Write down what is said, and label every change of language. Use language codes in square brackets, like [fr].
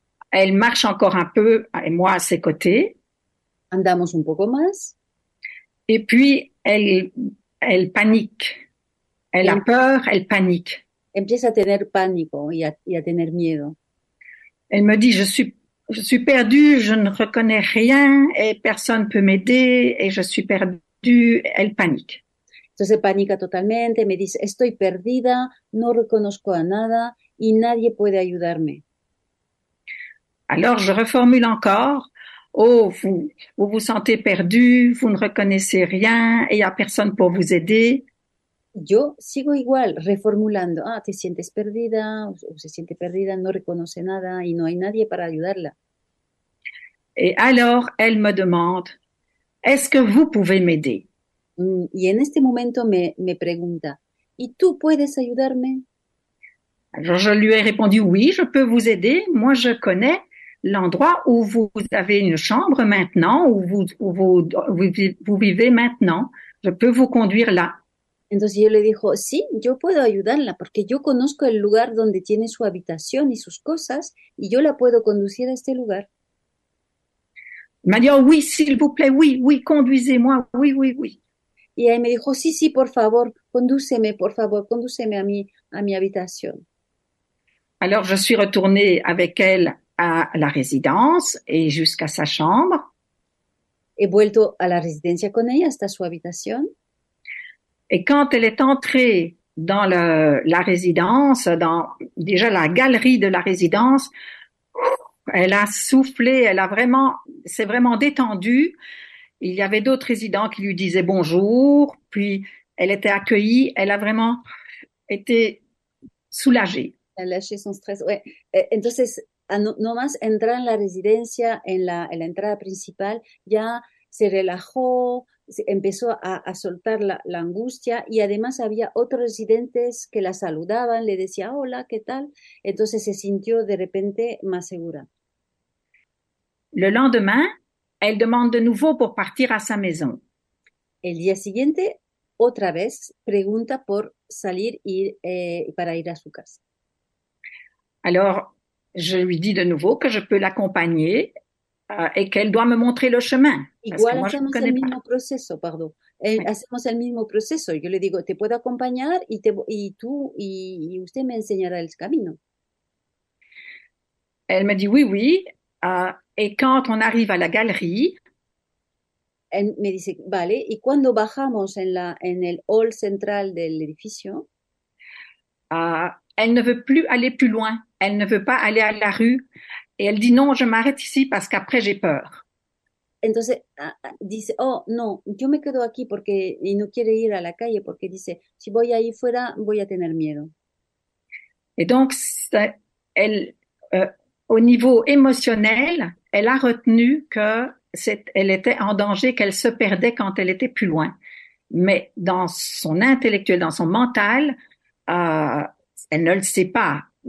[fr] Elle marche encore un peu, et moi à ses côtés. [es] Andamos un poco más. [fr] Et puis, elle panique. Elle a peur, elle panique. [es] Empieza a tener pánico y a tener miedo. [fr] Elle me dit, je suis perdue, je ne reconnais rien et personne ne peut m'aider et je suis perdue. Elle panique. [es] Entonces panica totalmente, me dice, estoy perdida, no reconozco a nada y nadie puede ayudarme. [fr] Alors je reformule encore, oh, vous vous sentez perdue, vous ne reconnaissez rien et il n'y a personne pour vous aider. [es] Yo sigo igual, reformulando. Ah, te sientes perdida, o se siente perdida, no reconoce nada y no hay nadie para ayudarla. [fr] Et alors, elle me demande, est-ce que vous pouvez m'aider? [es] Y en este momento me pregunta, ¿y tú puedes ayudarme? [fr] Alors, je lui ai répondu, oui, je peux vous aider. Moi, je connais l'endroit où vous avez une chambre maintenant, où vous vivez maintenant. Je peux vous conduire là. [es] Entonces yo le dijo, sí, yo puedo ayudarla porque yo conozco el lugar donde tiene su habitación y sus cosas y yo la puedo conducir a este lugar. Me dijo, [fr] oui, s'il vous plaît, oui, oui, conduisez-moi, oui, oui, oui. [es] Y ahí me dijo, sí, sí, por favor, condúceme a mi habitación. [fr] Alors je suis retournée avec elle à la résidence et jusqu'à sa chambre. [es] He vuelto a la residencia con ella hasta su habitación. [fr] Et quand elle est entrée dans la résidence, dans déjà la galerie de la résidence, elle a soufflé, s'est vraiment détendue. Il y avait d'autres résidents qui lui disaient bonjour, puis elle était accueillie, elle a vraiment été soulagée. Elle a lâché son stress, ouais. [es] Entonces, nomás entrar en la residencia, en la entrada principal, ya se relajó, empezó a soltar la angustia y además había otros residentes que la saludaban, le decía hola, ¿qué tal? Entonces se sintió de repente más segura. [fr] Le lendemain, elle demande de nouveau pour partir à sa maison. [es] El día siguiente, otra vez, pregunta por salir para ir a su casa. [fr] Alors, je lui dis de nouveau que je peux l'accompagner. Et qu'elle doit me montrer le chemin. [es] Igual hacemos el mismo proceso, pardon. Hacemos el mismo proceso. Yo le digo, te puedo acompañar y usted me enseñará el camino. [fr] Elle me dit oui, oui. Et quand on arrive à la galerie, [es] elle me dice, vale. Y cuando bajamos en el hall central del edificio, [fr] elle ne veut plus aller plus loin. Elle ne veut pas aller à la rue. Et elle dit non, je m'arrête ici parce qu'après j'ai peur. [es] Entonces dice, oh no, yo me quedo aquí porque y no quiere ir a la calle porque dice, si voy ahí fuera voy a tener miedo. [fr] Et donc elle au niveau émotionnel, elle a retenu que elle était en danger, qu'elle se perdait quand elle était plus loin. Mais dans son intellectuel, dans son mental, elle ne le sait pas.